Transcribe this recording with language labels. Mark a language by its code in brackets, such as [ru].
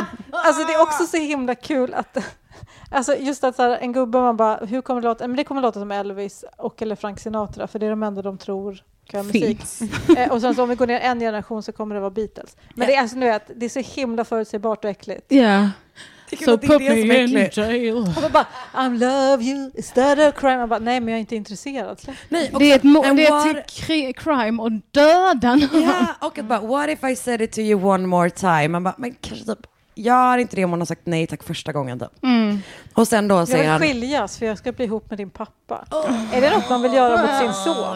[sv] Alltså det är också så himla kul att... Alltså just att så här, en gubbe, man bara, hur kommer det låta? Men det kommer låta som Elvis och eller Frank Sinatra, för det är de enda de tror... Och sen så om vi går ner en generation så kommer det vara Beatles. Men det är alltså nu att det är så himla förutsägbart och äckligt. [en] Ja. Yeah. So put me in jail. Bara, I love you, is that a crime? [sv] Bara, nej, men jag är inte intresserad. Nej, det är crime och döda någon. Ja, och bara, [en] what if I said it to you one more time? [sv] Bara, men kanske typ, jag har inte det om hon har sagt nej tack första gången då. Mm. Och sen då jag säger vill skiljas, för jag ska bli ihop med din pappa. Oh. Är det något man vill göra mot sin son?